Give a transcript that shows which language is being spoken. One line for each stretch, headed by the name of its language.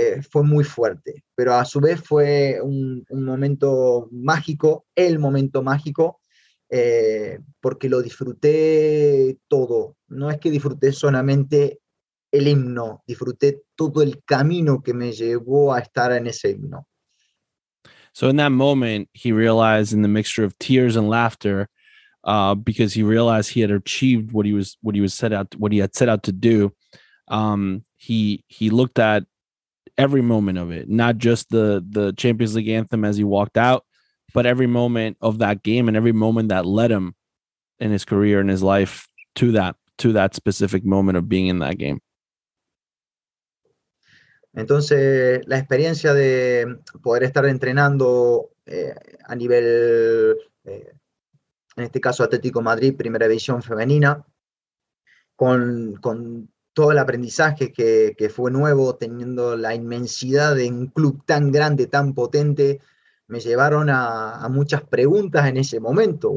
Spanish: Fue muy fuerte, pero a su vez fue un momento mágico, el momento mágico, porque lo disfruté todo. No es que disfruté solamente el himno, disfruté todo el camino que me llevó a estar en ese himno.
English: So in that moment, he realized in the mixture of tears and laughter, because he realized he had achieved what he had set out to do. He looked at every moment of it, not just the Champions League anthem as he walked out, but every moment of that game and every moment that led him in his career and his life to that specific moment of being in that game.
Spanish: Entonces, la experiencia de poder estar entrenando a nivel, en este caso Atlético Madrid, primera división femenina, con todo el aprendizaje que fue nuevo, teniendo la inmensidad de un club tan grande, tan potente, me llevaron a muchas preguntas en ese momento.